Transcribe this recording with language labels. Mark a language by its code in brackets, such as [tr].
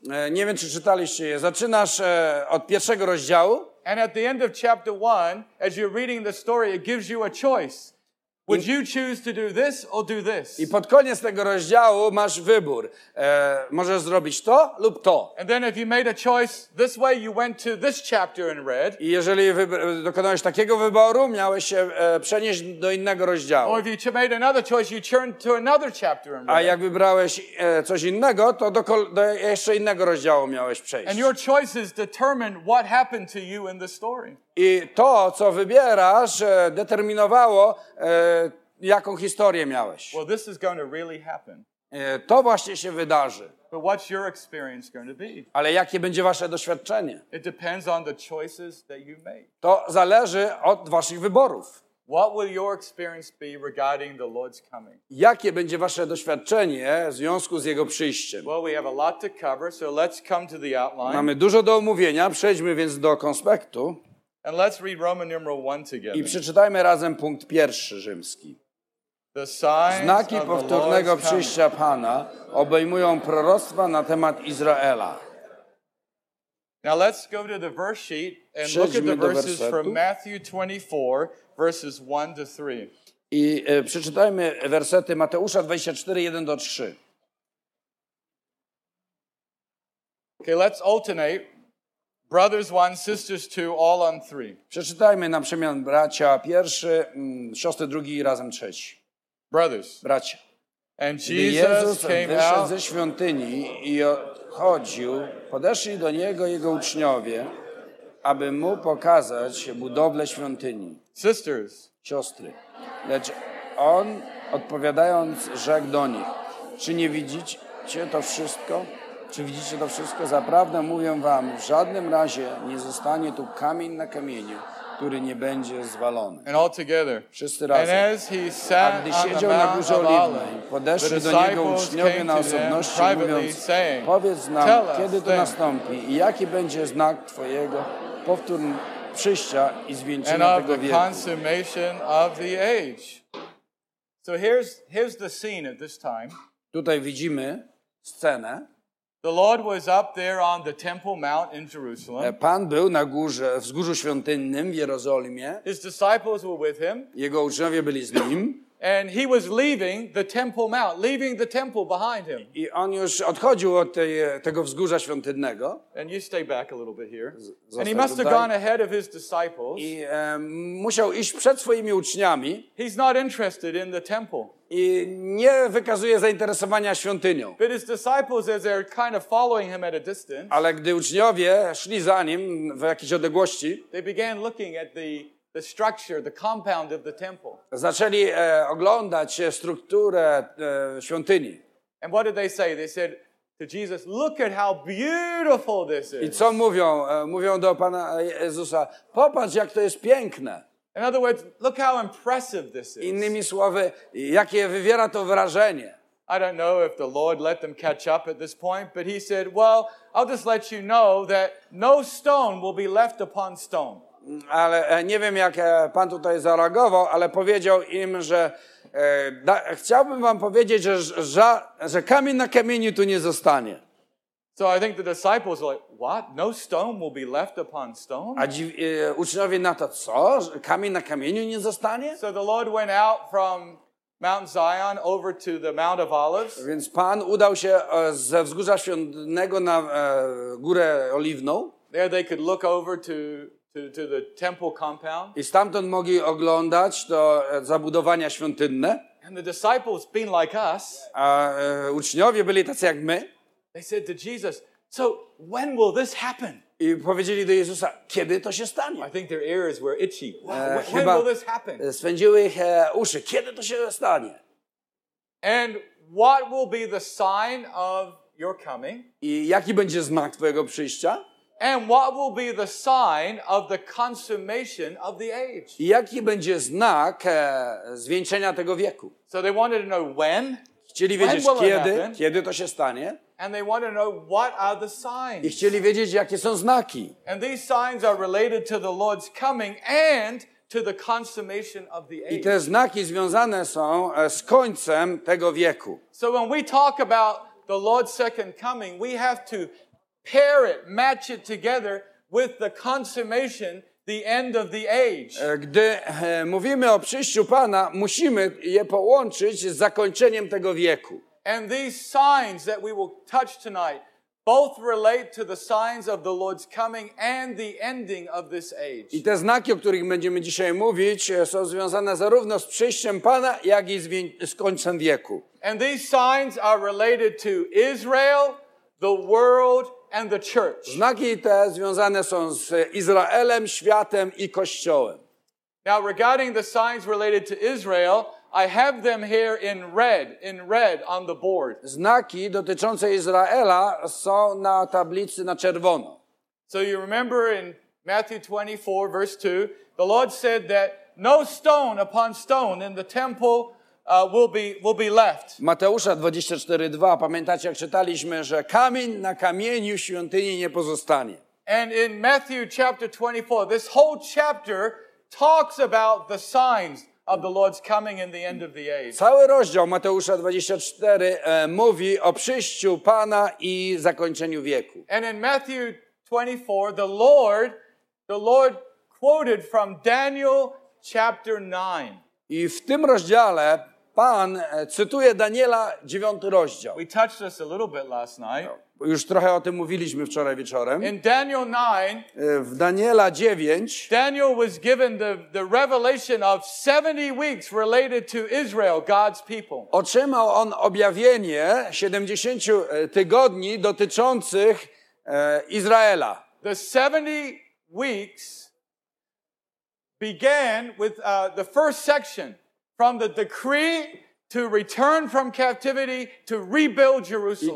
[pl] Nie wiem, czy czytaliście je. Zaczynasz od pierwszego rozdziału. [en] And at the end of chapter one, as you're reading the story, it gives you a choice. Would you choose to do this or do this? [pl] I pod koniec tego rozdziału masz wybór. Możesz zrobić to lub to. [en] And then if you made a choice this way, you went to this chapter and read. [pl] I jeżeli dokonałeś takiego wyboru, miałeś się przenieść do innego rozdziału. [en] Or if you made another choice, you turned to another chapter and read. [pl] A jak wybrałeś coś innego, to do jeszcze innego rozdziału miałeś przejść. [en] And your choices determine what happened to you in the story. [pl] I to, co wybierasz, determinowało, jaką historię miałeś. [en] Well, this is going to really happen. [pl] To właśnie się wydarzy. [en] But what's your experience going to be? [pl] Ale jakie będzie wasze doświadczenie? [en] It depends on the choices that you make. [pl] To zależy od waszych wyborów. [en] What will your experience be regarding the Lord's coming? [pl] Jakie będzie wasze doświadczenie w związku z jego przyjściem? [en] Well, we have a lot to cover, so let's come to the outline. [pl] Mamy dużo do omówienia, przejdźmy więc do konspektu. [en] And let's read Roman numeral 1 together. [pl] I przeczytajmy razem punkt pierwszy rzymski. [en] The signs [pl] Znaki powtórnego przyjścia Pana obejmują proroctwa na temat Izraela. [en] Now let's go to the verse sheet and [pl] Przejdźmy [en] look at the verses from Matthew 24, verses 1 to 3. [pl] I przeczytajmy wersety Mateusza 24, 1 do 3. [en] Okay, let's alternate. Brothers one, sisters two, all on three. [pl] Przeczytajmy na przemian bracia pierwszy, siostry drugi i razem trzeci. [en] Brothers. [pl] Bracia. [en] And [pl] Jezus [en] came [pl] wyszedł [en] out [pl] ze świątyni i odchodził, podeszli do Niego Jego uczniowie, aby Mu pokazać budowlę świątyni. [en] Sisters. [pl] Siostry. Lecz On odpowiadając rzekł do nich, czy nie widzicie to wszystko? Czy widzicie to wszystko? Zaprawdę mówię wam, w żadnym razie nie zostanie tu kamień na kamieniu, który nie będzie zwalony. [en] And all together. [pl] Wszyscy razem. [en] And as he sat [pl] A gdy siedział na Górze Oliwnej, podeszli do Niego uczniowie na osobności, mówiąc, [en] saying, [pl] powiedz nam, kiedy to nastąpi i jaki będzie znak Twojego powtórnego przyjścia i zwieńczenia tego wieku. [en] Consummation of the age. So here's the scene at this time. [pl] Tutaj widzimy scenę. [en] The Lord was up there on the Temple Mount in Jerusalem. [pl] Pan był na górze, wzgórzu świątynnym w Jerozolimie. [en] His disciples were with him. [pl] Jego uczniowie byli z nim. [en] And he was leaving the Temple Mount, leaving the temple behind him. [pl] I on już odchodził od tego wzgórza świątynnego. [en] And you stay back a little bit here. And he must have gone ahead of his disciples. [pl] I musiał iść przed swoimi uczniami. [en] He's not interested in the temple. [pl] I nie wykazuje zainteresowania świątynią. [en] But his disciples, as they're kind of following him at a distance, [pl] ale gdy uczniowie szli za nim w jakiejś odległości, [en] they began looking at the structure, the compound of the temple. [pl] zaczęli oglądać strukturę świątyni. [en] And what did they say? They said to Jesus, "Look at how beautiful this is." [pl] I co mówią? Mówią do Pana Jezusa: "Popatrz, jak to jest piękne." [en] In other words, look how impressive this is. [pl] Innymi słowy, jakie wywiera to wrażenie. [en] I don't know if the Lord let them catch up at this point, but he said, "Well, I'll just let you know that no stone will be left upon stone." [pl] Ale nie wiem, jak Pan tutaj zareagował, ale powiedział im, że chciałbym wam powiedzieć, że kamień na kamieniu tu nie zostanie. [en] So I think the disciples were like, "What? No stone will be left upon stone?" [pl] A uczniowie na to: co? Kamień na kamieniu nie zostanie? [en] So the Lord went out from Mount Zion over to the Mount of Olives. [pl] Więc Pan udał się ze wzgórza świątynnego na górę oliwną. [en] There they could look over to the temple compound. [pl] I stamtąd mogli oglądać to zabudowania świątynne. [en] And the disciples, being like us, [pl] uczniowie byli tacy jak my. [en] They said to Jesus, "So when will this happen?" [pl] I powiedzieli do Jezusa: kiedy to się stanie? [en] I think their ears were itchy. When will this happen? [pl] Swędziły ich uszy. Kiedy to się stanie? [en] And what will be the sign of your coming? [pl] I jaki będzie znak twojego przyjścia? [en] And what will be the sign of the consummation of the age? [pl] I jaki będzie znak zwieńczenia tego wieku? [en] So they wanted to know when. [pl] Chcieli wiedzieć kiedy. Kiedy to się stanie? [en] And they want to know what are the signs. [pl] I chcieli wiedzieć, jakie są znaki. [en] And these signs are related to the Lord's coming and to the consummation of the age. [pl] I te znaki związane są z końcem tego wieku. [en] So when we talk about the Lord's second coming, we have to pair it, match it together with the consummation, the end of the age. [pl] Gdy mówimy o przyjściu Pana, musimy je połączyć z zakończeniem tego wieku. [en] And these signs that we will touch tonight both relate to the signs of the Lord's coming and the ending of this age. [pl] I te znaki, o których będziemy dzisiaj mówić, są związane zarówno z przyjściem Pana, jak i z końcem wieku. [en] And these signs are related to Israel, the world, and the church. [pl] Znaki te związane są z Izraelem, światem i Kościołem. [en] Now regarding the signs related to Israel, I have them here in red on the board. [pl] Znaki dotyczące Izraela są na tablicy na czerwono. [en] So you remember in Matthew 24, verse 2, the Lord said that no stone upon stone in the temple will be left. [pl] Mateusza 24:2, pamiętacie, jak czytaliśmy, że kamień na kamieniu świątyni nie pozostanie. [en] And in Matthew chapter 24, this whole chapter talks about the signs of the Lord's coming and the end of the age. [pl] Cały rozdział Mateusza 24 mówi o przyjściu Pana i zakończeniu wieku. [en] And in Matthew 24, the Lord quoted from Daniel chapter 9. [pl] I w tym rozdziale Pan cytuje Daniela 9 rozdział. [en] We touched this a little bit last night. [pl] No, już trochę o tym mówiliśmy wczoraj wieczorem. [en] In Daniel 9, [pl] w Daniela 9, [en] Daniel was given the revelation of 70 weeks related to Israel, God's people. [pl] Otrzymał on objawienie 70 tygodni dotyczących Izraela. [en] The 70 weeks began with the first section. From the decree to return from captivity to rebuild Jerusalem.